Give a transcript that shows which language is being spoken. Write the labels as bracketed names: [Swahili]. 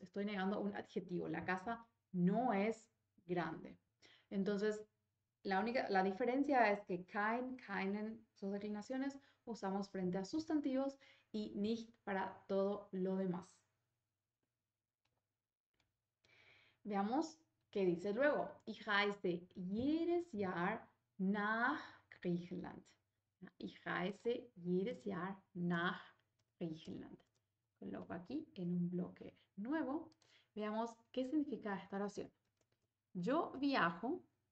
[Spanish] Estoy negando un adjetivo. La casa no es grande. Entonces, la diferencia es que keinen, sus declinaciones usamos frente a sustantivos y nicht para todo lo demás. Veamos qué dice luego. [German] Ich reise jedes Jahr nach Griechenland. Ich reise jedes Jahr nach Griechenland. [Spanish] Coloco aquí en un bloque nuevo. Veamos qué significa esta oración. Yo viajo.